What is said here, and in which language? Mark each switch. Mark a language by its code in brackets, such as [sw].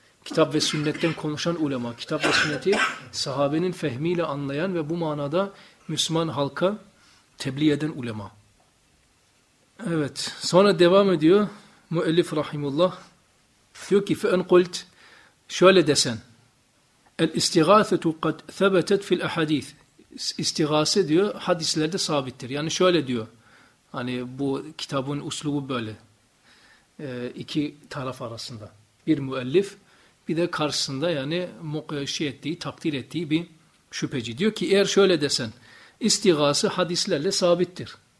[tr] Kitap ve sünnetten konuşan ulema. Kitap ve sünneti sahabenin fehmiyle anlayan ve bu manada Müslüman halka tebliğ eden ulema. Evet. Sonra devam ediyor. Müellif rahimullah. Diyor ki [ar] فَاَنْ قُلْتْ [tr] Şöyle desen. [ar] الْاِسْتِغَاثَةُ قَدْ ثَبَتَتْ فِي الْاَحَد۪يثِ [tr] İstigase diyor hadislerde sabittir. Yani şöyle diyor. Hani bu kitabın uslubu böyle. İki taraf arasında. Bir müellif, bir de karşısında yani şey ettiği, takdir ettiği bir şüpheci. Diyor ki eğer şöyle desen, istigası hadislerle sabittir.